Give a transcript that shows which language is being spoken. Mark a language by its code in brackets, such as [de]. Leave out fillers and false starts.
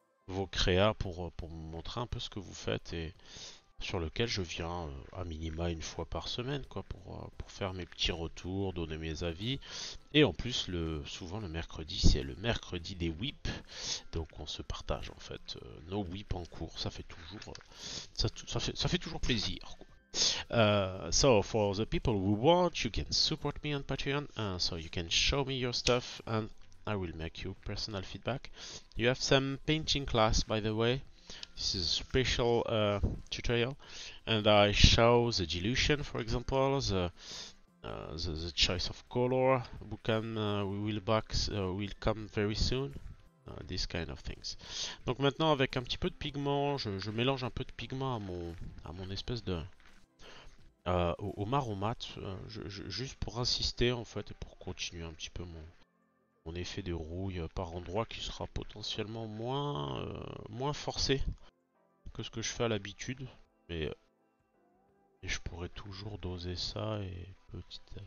[fr] vos créas pour me montrer un peu ce que vous faites et sur lequel je viens à minima une fois par semaine quoi pour faire mes petits retours, donner mes avis. Et en plus souvent le mercredi c'est le mercredi des whips. Donc on se partage en fait nos whips en cours. Ça fait toujours ça fait toujours plaisir quoi. [en] So for the people who want, you can support me on Patreon, so you can show me your stuff and I will make you personal feedback. You have some painting class, by the way. This is a special tutorial, and I show the dilution, for example, the choice of color. Will come very soon. This kind of things. [fr] Donc maintenant, avec un petit peu de pigment, je mélange un peu de pigment à mon espèce de au marron mat, juste pour insister en fait et pour continuer un petit peu mon effet de rouille par endroit qui sera potentiellement moins forcé que ce que je fais à l'habitude, mais je pourrais toujours doser ça et petit.